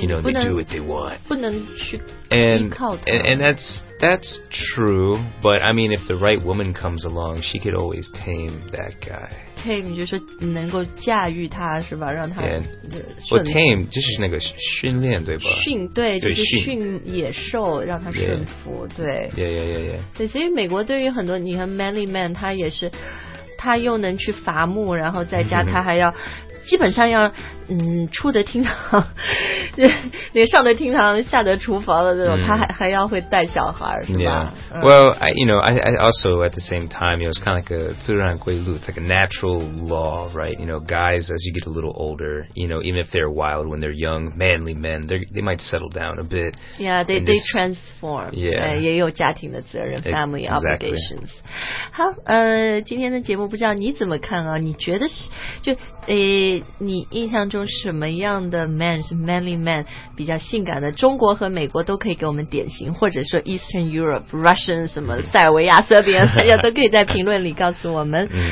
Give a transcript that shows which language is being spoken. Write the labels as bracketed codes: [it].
[en] you know they do what they want. [zh] 不能去 [en] And that's true. But I mean, if the right woman comes along, she could always tame that guy. [zh] Tame 就是能够驾驭他是吧？让他 [en] yeah. [zh] Well, tame 就是那个训练对吧？训对就是训野兽让他顺服 [en] yeah. [zh] 对。 [en] Yeah. [zh] 对，所以美国对于很多你看 manly man 他也是。他又能去伐木然后在家他还要基本上要出得厅堂那个上得厅堂下得厨房的那种他还要会带小孩是吧 [en] yeah. Well, I also at the same time you know, it's kind of like a 自然规律 it's like a natural law, right? You know, guys as you get a little older you know, even if they're wild when they're young manly men they might settle down a bit Yeah, they transform Yeah [zh] 也有家庭的责任 [en] family obligations、 exactly. [zh] 好今天的节目不知道你怎么看啊你觉得是就你印象中什么样的 man 是 manly man 比较性感的？中国和美国都可以给我们典型，或者说 Eastern Europe Russian 什么塞尔维亚、塞尔维亚，大家都可以在评论里告诉我们。